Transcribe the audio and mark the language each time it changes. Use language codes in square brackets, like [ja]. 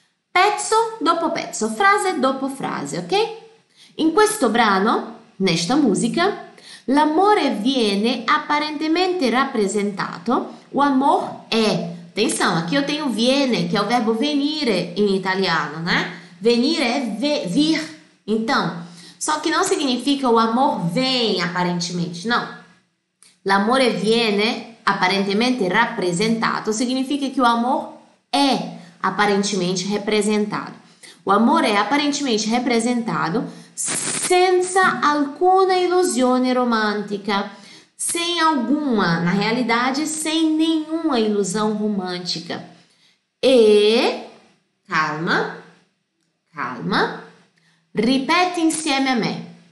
[it] Pezzo dopo pezzo, frase dopo frase, ok? In questo brano, [pt] nesta musica, [it] l'amore viene apparentemente rappresentato, [pt] o amor è. Atenção, aqui eu tenho viene, que é o verbo venire [it] in italiano, [pt] né? Venire é vir. Então, só que não significa o amor vem aparentemente, não. [it] L'amore viene apparentemente rappresentato [pt] significa que o amor é aparentemente representado. O amor é aparentemente representado [it] senza alcuna ilusione romantica, [pt] sem alguma, na realidade, sem nenhuma ilusão romântica. [it] E, calma, calma, ripete insieme a me.